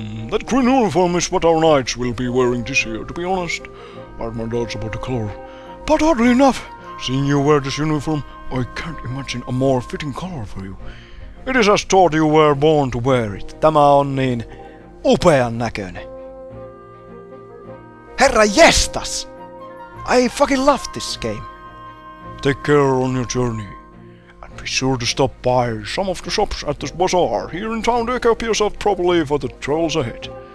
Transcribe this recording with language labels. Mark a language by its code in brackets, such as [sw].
[en] That green uniform is what our knights will be wearing this year, to be honest. I have my doubts about the color. But oddly enough, seeing you wear this uniform, I can't imagine a more fitting color for you. It is as though you were born to wear it. [fi] Tämä on niin upean näköinen. Herra jestas! [en] I fucking love this game. Take care on your journey. Be sure to stop by some of the shops at this bazaar here in town to equip yourself properly for the trolls ahead.